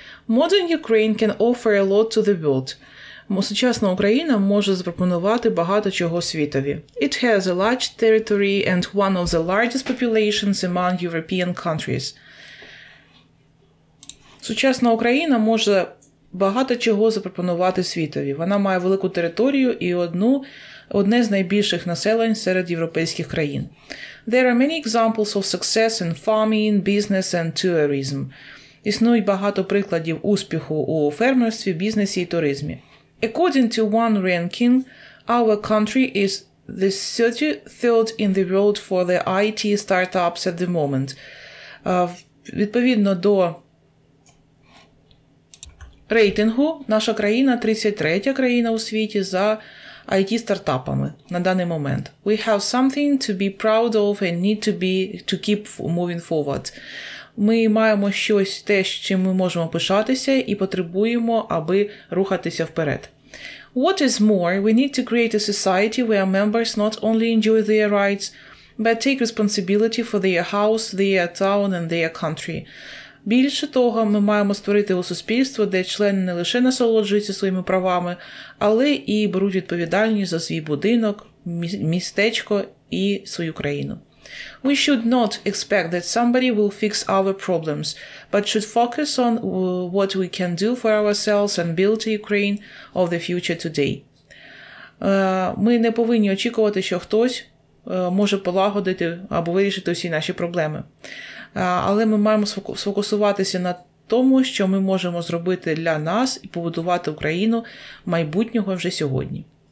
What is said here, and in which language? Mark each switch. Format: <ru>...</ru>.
<en>Modern Ukraine can offer a lot to the world.</en> <uk>Сучасна Україна може запропонувати багато чого світові.</uk> <en>It has a large territory and one of the largest populations among European countries.</en> <uk>Сучасна Україна може багато чого запропонувати світові. Вона має велику територію і одне з найбільших населень серед європейських країн.</uk> <en>There are many examples of success in farming, business and tourism.</en> <uk>Існує багато прикладів успіху у фермерстві, бізнесі і туризмі.</uk> <en>According to one ranking, our country is the 33rd in the world for the IT startups at the moment.</en> <uk>Відповідно до рейтингу, наша країна 33-я країна у світі за IT-стартапами на даний момент.</uk> <en>We have something to be proud of and need to be to keep moving forward.</en> <uk>Ми маємо щось те, чим ми можемо пишатися і потребуємо, аби рухатися вперед.</uk> <en>What is more, we need to create a society where members not only enjoy their rights, but take responsibility for their house, their town and their country.</en> <uk>Більше того, ми маємо створити у суспільство, де члени не лише насолоджуються своїми правами, але і беруть відповідальність за свій будинок, містечко і свою країну.</uk> <en>We should not expect that somebody will fix our problems, but should focus on what we can do for ourselves and build a Ukraine of the future today.</en> <uk>Ми не повинні очікувати, що хтось може полагодити або вирішити всі наші проблеми. Але ми маємо сфокусуватися на тому, що ми можемо зробити для нас і побудувати Україну майбутнього вже сьогодні.</uk>